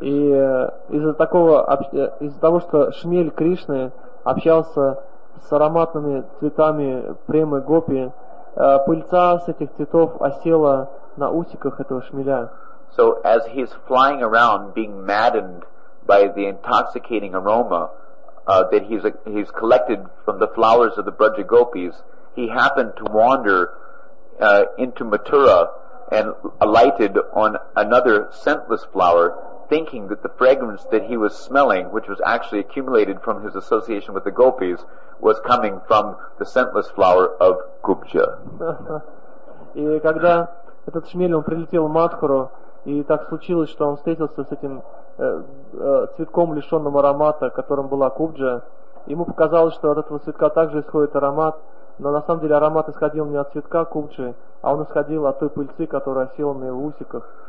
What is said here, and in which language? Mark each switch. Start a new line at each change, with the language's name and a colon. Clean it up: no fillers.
Russian: И из-за того, что шмель Кришны общался с ароматными цветами премы гопи, пыльца с этих цветов осела на усиках этого шмеля.
English: So as he's flying around, being maddened by the intoxicating aroma that he's collected from the flowers of the Braja Gopis, he happened to wander into Mathura and alighted on another scentless flower, thinking that the fragrance that he was smelling, which was actually accumulated from his association with the gopis, was coming from the scentless flower of Gupja.
Russian: И когда этот шмель, он прилетел в Матхуру, и так случилось, что он встретился с этим цветком, лишенным аромата, которым была Гупджа, ему показалось, что от этого цветка также исходит аромат, но на самом деле аромат исходил не от цветка Гупджи, а он исходил от той пыльцы, которая осела на его усиках.